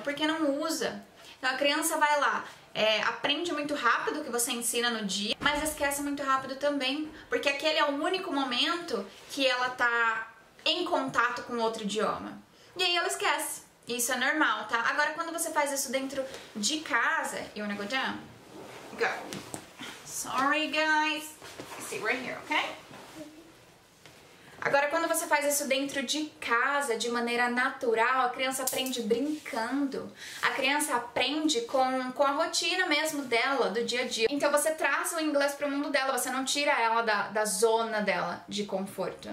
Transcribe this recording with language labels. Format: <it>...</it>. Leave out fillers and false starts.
<pt>Porque não usa. Então a criança vai lá, aprende muito rápido o que você ensina no dia, mas esquece muito rápido também. Porque aquele é o único momento que ela tá em contato com outro idioma. E aí ela esquece. Isso é normal, tá? Agora, quando você faz isso dentro de casa...</pt> <en>You wanna go down? Go. Sorry, guys. Stay right here, okay?</en> <pt>Agora, quando você faz isso dentro de casa, de maneira natural, a criança aprende brincando. A criança aprende com a rotina mesmo dela, do dia a dia. Então você traz o inglês pro mundo dela, você não tira ela da zona dela de conforto.</pt>